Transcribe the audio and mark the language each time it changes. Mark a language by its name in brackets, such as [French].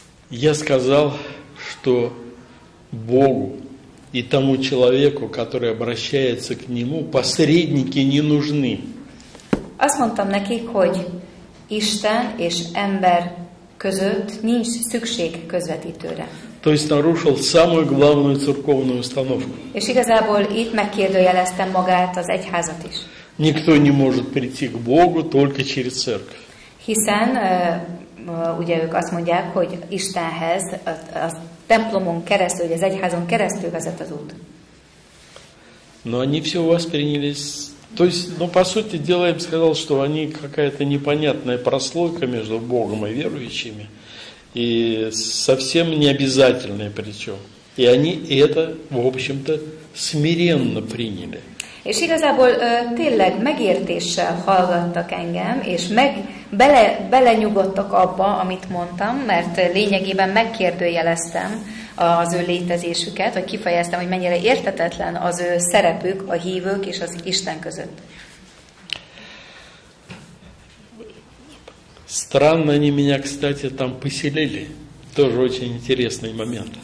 [Russian] Я сказал, что Богу и тому человеку, который обращается к нему, посредники не нужны. [Hungarian] Azt mondtam nekik, hogy Isten és ember között nincs szükség közvetítőre. [Russian] То есть нарушил самую главную церковную установку. [Hungarian] És igazából itt megkérdőjeleztem magát az egyházat is. [Russian] Никто не может прийти к Богу только через церковь. [Hungarian] Hiszen ugye ők azt mondják, hogy Istenhez templomon keresztül, vagy az egyházon keresztül vezet az út. [Russian] Но они все у вас приняли. То есть, ну, по сути дела, я бы сказал, что они какая-то непонятная прослойка между Богом и верующими. И совсем необязательная причем. И они это, в общем-то, смиренно приняли. [Hungarian] És igazából tényleg megértéssel hallgattak engem, és belenyugodtak abba, amit mondtam, mert lényegében megkérdőjeleztem az ő létezésüket, vagy kifejeztem, hogy mennyire értetetlen az ő szerepük a hívők és az Isten között. [Russian] Странно, они меня, кстати, там поселили. Тоже очень интересный момент.